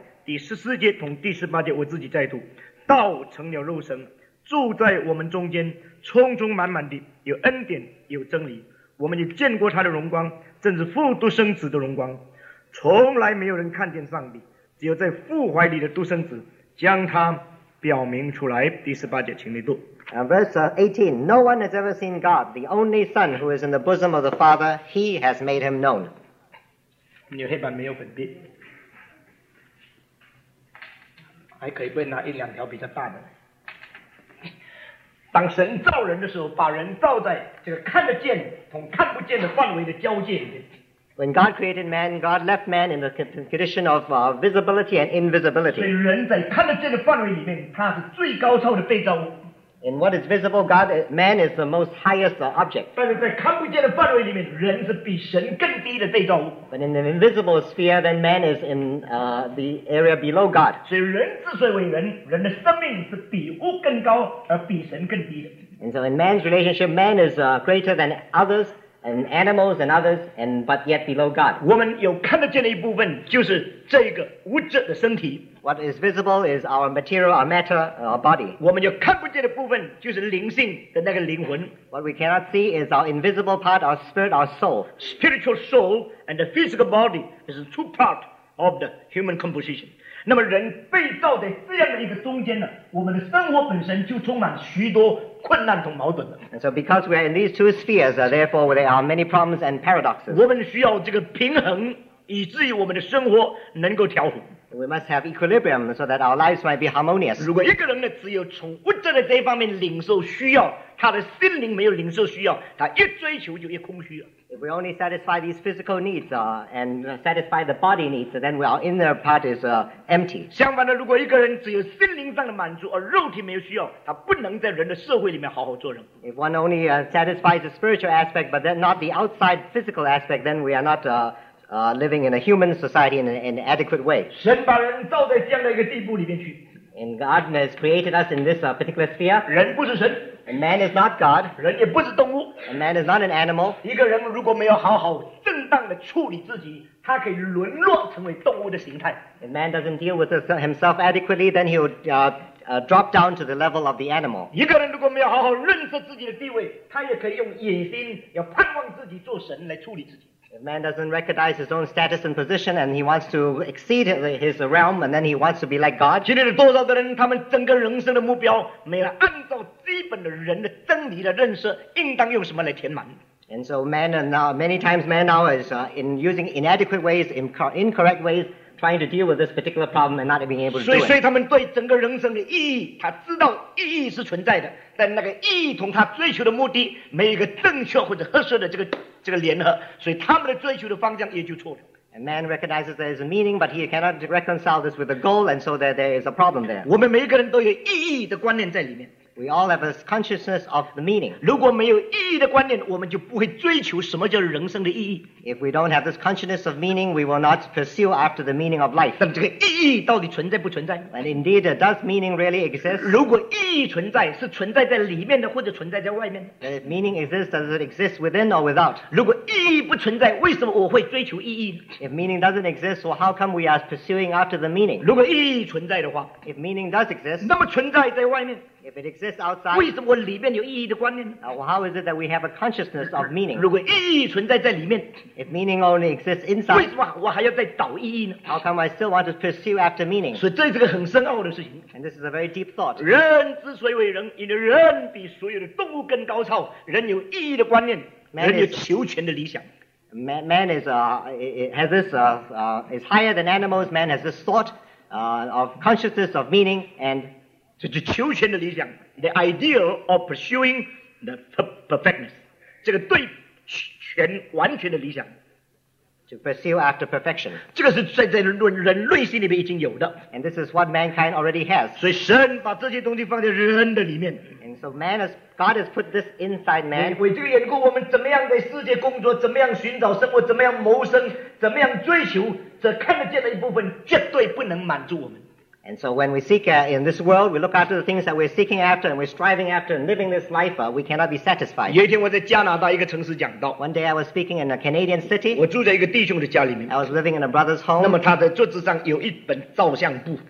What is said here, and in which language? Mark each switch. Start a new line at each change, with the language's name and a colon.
Chinese: 第十四节同第十八节我自己再读，道成了肉身，住在我们中间，充充满满的有恩典有真理，我们也见过他的荣光，正是父独生子的荣光。从来没有人看见上帝，只有在父怀里的独生子将他表明出来。第十八节请你读。
English: Verse 18, no one has ever seen God, the only Son who is in the bosom of the Father, he has made him known.
Chinese: 你有黑板没有粉笔？还可以不会拿一两条比较大的。当神造人的时候，把人造在这个看得见同看不见的范围的交界里面。
English: When God created man, God left man in the condition of visibility and invisibility.
Chinese: 所以人在看得见的范围里面，他是最高超的被造物。
English: In what is visible, God, man is the most highest object.
Chinese: 但是在看不见的范围里面，人是比神更低的被造物。
English: But in the invisible sphere, then man is in the area below God.
Chinese: 所以人之所以为人，人的生命是比物更高，而比神更低的。
English: And so in man's relationship, man is greater than others, and animals and others, and but yet below God.
Chinese: 我们有看得见的一部分，就是这个物质的身体。
English: What is visible is our material, our matter, our body.
Chinese: 我们有看不见的部分就是灵性的那个灵魂。
English: What we cannot see is our invisible part, our spirit, our soul. Spiritual soul and the physical body is two parts of the human composition.
Chinese: 那么人被造在这样的一个中间呢，我们的生活本身就充满许多困难和矛盾了。
English: And so because we are in these two spheres, therefore there are many problems and paradoxes.
Chinese: 我们需要这个平衡，以至于我们的生活能够调和。
English: We must have equilibrium so that our lives might be harmonious.
Chinese: 如果一个人呢，只有从物质的这一方面领受需要，他的心灵没有领受需要，他一追求就一空虚了。
English: If we only satisfy these physical needs and satisfy the body needs, then our inner part is empty.
Chinese: 相反的，如果一个人只有心灵上的满足，而肉体没有需要，他不能在人的社会里面好好做人。
English: If one only satisfies the spiritual aspect but then not the outside physical aspect, then we are not. Living in a human society in an adequate way.
Chinese: 神把人造在这样的一个地步里面去。
English: And God has created us in this particular sphere.
Chinese: 人不是神。
English: And man is not God.
Chinese: 人也不是动物。
English: And man is not an animal.
Chinese: 一个人如果没有好好正当的处理自己，他可以沦落成为动物的形态。
English: If man doesn't deal with himself adequately, then he would drop down to the level of the animal.
Chinese: 一个人如果没有好好认识自己的地位，他也可以用野心，要盼望自己做神来处理自己。
English: If man doesn't recognize his own status and position and he wants to exceed his realm and then he wants to be like God.
Chinese: 今天的多少的人，他们整个人生的目标没有按照基本的人的真理的认识应当用什么来填满。
English: And so man now, many times man now is in using inadequate ways, incorrect ways, trying to deal with this particular problem and not being able to do it.
Chinese: 所以他们对整个人生的意义，他知道意义是存在的。但那个意义同他追求的目的没有一个正确或者合适的这个联合，所以他们的追求的方向也就错了。
English: And man recognizes there is a meaning, but he cannot reconcile this with a goal, and so there is a problem there.
Chinese: 我们每一个人都有意义的观念在里面。
English: We all have a consciousness of the meaning.
Chinese: 如果没有意义的观念，我们就不会追求什么叫人生的意义。
English: If we don't have this consciousness of meaning, we will not pursue after the meaning of life.
Chinese: 那这个意义到底存在不存在？
English: And indeed, does meaning really exist?
Chinese: 如果意义存在，是存在在里面的，或者存在在外面？
English: And if meaning exists, does it exist within or without?
Chinese: 如果意义不存在，为什么我会追求意义？
English: If meaning doesn't exist, well, how come we are pursuing after the meaning?
Chinese: 如果意义存在的话，
English: If meaning does exist,
Chinese: 那么存在在外面。
English: If it exists outside,
Chinese: 为什么里面有意义的观念?
English: How is it that we have a consciousness of meaning?
Chinese: 如果意义存在在里面,
English: if meaning only exists inside,
Chinese: 为什么我还要再找意义呢?
English: How come I still want to pursue after meaning?
Chinese: 所以这是个很深奥的事情。
English: And this is a very deep thought.
Chinese: 人之所以为人, 因为人比所有的动物更高超, 人有意义的观念, 人有求全的理想。
English: Man is higher than animals. Man has this thought of consciousness of meaning and
Chinese: 这是求全的理想,
English: the idea of pursuing the perfectness.
Chinese: 这个对全完全的理想,
English: to pursue after perfection.
Chinese: 这个是在人类心里面已经有的,
English: and this is what mankind already has.
Chinese: 所以神把这些东西放在人的里面,
English: and so man has, God has put this inside man.
Chinese: 为这个缘故我们怎么样在世界工作，怎么样寻找生活，怎么样谋生，怎么样追求，这看得见的一部分绝对不能满足我们。
English: And so when we seek in this world, we look after the things that we're seeking after and we're striving after and living this life, we cannot be satisfied.
Chinese: 有一天我在加拿大一个城市讲道,
English: one day I was speaking in a Canadian city.
Chinese: 我住在一个弟兄的家里面,
English: I was living in a brother's home.
Chinese: 那么他在桌子上有一本照相簿,